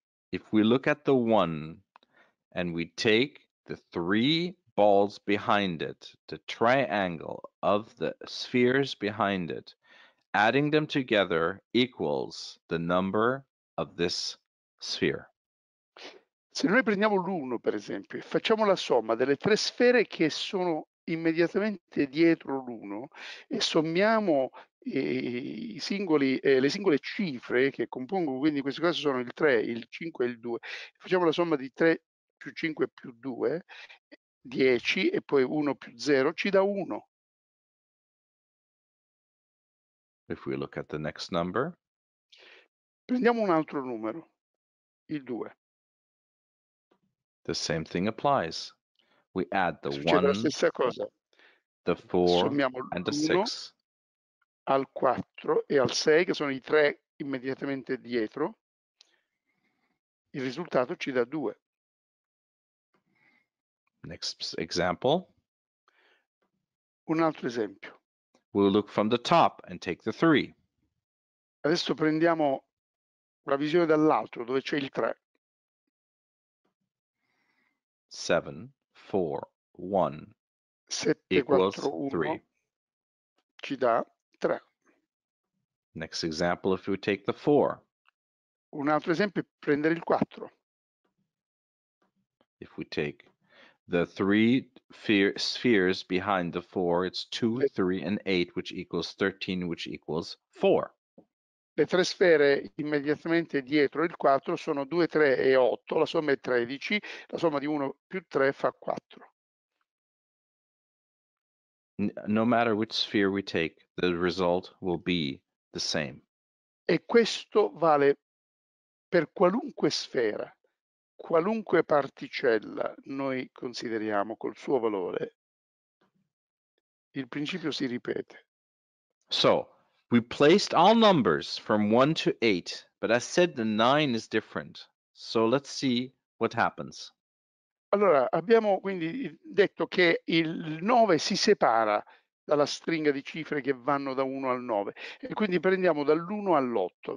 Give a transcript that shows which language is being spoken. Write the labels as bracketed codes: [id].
[en] If we look at the one and we take the three balls behind it, the triangle of the spheres behind it, adding them together equals the number of this sphere. [it] Se noi prendiamo l'uno, per esempio, e facciamo la somma delle tre sfere che sono immediatamente dietro l'uno e sommiamo le singole cifre che compongono, quindi in questo caso sono il 3, il 5 e il 2, facciamo la somma di 3 più 5 più 2, 10, e poi 1 più 0, ci dà 1. [en] If we look at the next number. [it] Prendiamo un altro numero, il 2. [en] The same thing applies. We add the [it] succede [en] one, [it] la stessa cosa. [en] The four, [it] sommiamo [en] and the six. [it] Al 4 e al 6, che sono i tre immediatamente dietro, il risultato ci dà 2. [en] Next example. [it] Un altro esempio. [en] We'll look from the top and take the 3. [it] Adesso prendiamo la visione dall'alto, dove c'è il 3. [en] 7, 4, 1, 7, equals 4, 1, 3. [it] Ci dà 3. [en] Next example, if we take the 4. [it] Un altro esempio è prendere il 4. [en] If we take the 3 spheres behind the 4, it's 2, 3, and 8, which equals 13, which equals 4. [it] Le tre sfere immediatamente dietro il 4 sono 2, 3 e 8, la somma è 13, la somma di 1 più 3 fa 4. [en] No matter which sphere we take, the result will be the same. [it] E questo vale per qualunque sfera, qualunque particella noi consideriamo col suo valore, il principio si ripete. [en] So, we placed all numbers from 1 to 8, but I said the 9 is different. So let's see what happens. [it] Allora, abbiamo quindi detto che il 9 si separa dalla stringa di cifre che vanno da 1 al 9. E quindi prendiamo dall'1 all'8.